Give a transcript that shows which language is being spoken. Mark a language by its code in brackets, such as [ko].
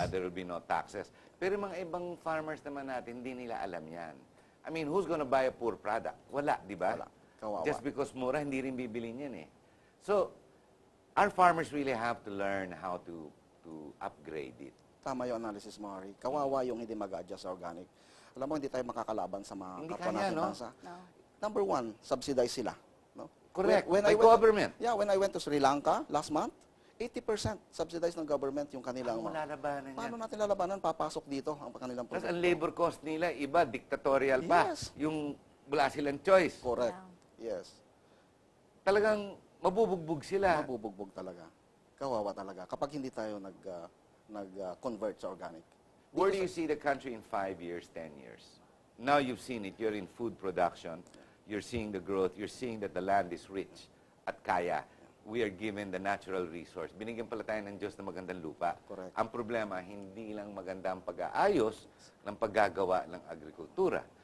[en] There will be no taxes. [tl] Pero mga ibang farmers naman natin, hindi nila alam yan. [en] I mean, who's gonna buy a poor product? [tl] Wala, di ba? Wala. Kawawa. [en] Just because [tl] mura, hindi rin bibili niyan eh. [en] So, our farmers really have to learn how to upgrade it. [tl] Tama yung analysis mo, Harry. Kawawa yung hindi mag-adjust organic. Alam mo, hindi tayo makakalaban sa mga kapwa natin. [en] No? Number one, subsidize sila. No? Correct. When I went, government. Yeah, when I went to Sri Lanka last month, 80% subsidized [tl] ng government yung kanilang mga. Paano natin lalabanan? Papasok dito ang kanilang produkto. Ang labor cost nila iba, dictatorial pa. [en] Yes. [tl] Yung wala silang choice. [en] Correct. Yeah. Yes. [tl] Talagang mabubugbog sila. Mabubugbog talaga. Kawawa talaga kapag hindi tayo nag-convert sa organic. [en] Where do you see the country in 5 years, 10 years? Now you've seen it. You're in food production. You're seeing the growth. You're seeing that the land is rich [tl] at kaya. [en] We are given the natural resource. [tl] Binigyan pala tayo ng Diyos na magandang lupa. [en] Correct. [tl] Ang problema, hindi lang maganda ang pag-aayos ng paggagawa ng agrikultura.